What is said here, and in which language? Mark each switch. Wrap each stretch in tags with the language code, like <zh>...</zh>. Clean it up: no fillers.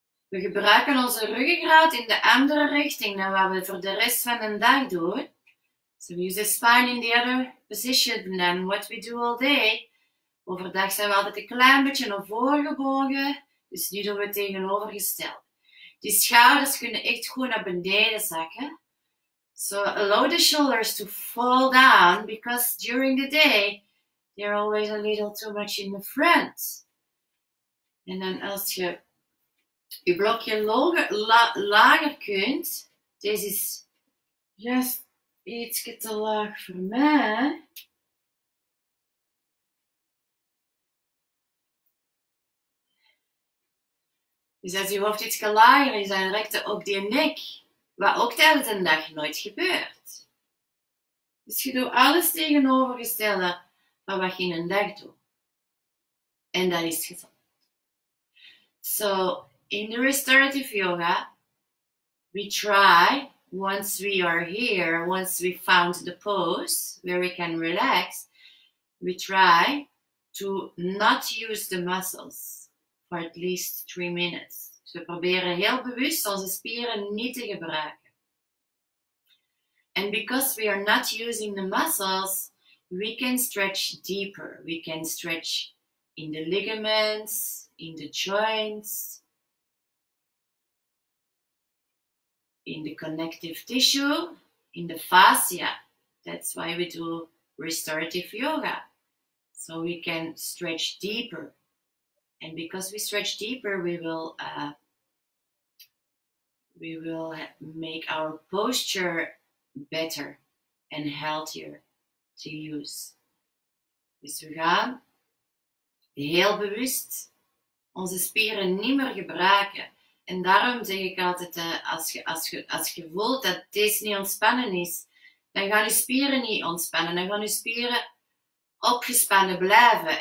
<nl>We gebruiken onze ruggengraat in de andere richting dan wat we voor de rest van de dag doen.</nl> <en>So we use the spine in the other position than what we do all day.</en> <nl>Overdag zijn we altijd een klein beetje naar voren gebogen. Dus nu doen we het tegenovergesteld. Die schouders kunnen echt goed naar beneden zakken.</nl> <en>So allow the shoulders to fall down because during the day they're always a little too much in the front.</en> <nl>En dan als je je blokje lager kunt, deze is juist ietsje te laag voor mij. Dus als je hoofd ietsje lager is, dan rekt het ook die nek. Wat ook tijdens een dag nooit gebeurt. Dus je doet alles tegenovergestelde van wat je in een dag doet. En dat is gezond.</nl> <en>So, in the restorative yoga, we try, once we are here, once we found the pose where we can relax, we try to not use the muscles for at least 3 minutes.</en> <nl>Dus we proberen heel bewust onze spieren niet te gebruiken.</nl> <en>And because we are not using the muscles, we can stretch deeper. We can stretch in the ligaments, in the joints, in the connective tissue, in the fascia. That's why we do restorative yoga. So we can stretch deeper. And because we stretch deeper, we will make our posture better and healthier to use.</en> <nl>Dus we gaan heel bewust onze spieren niet meer gebruiken. En daarom zeg ik altijd, als je voelt dat deze niet ontspannen is, dan gaan je spieren niet ontspannen. Dan gaan je spieren opgespannen blijven.</nl>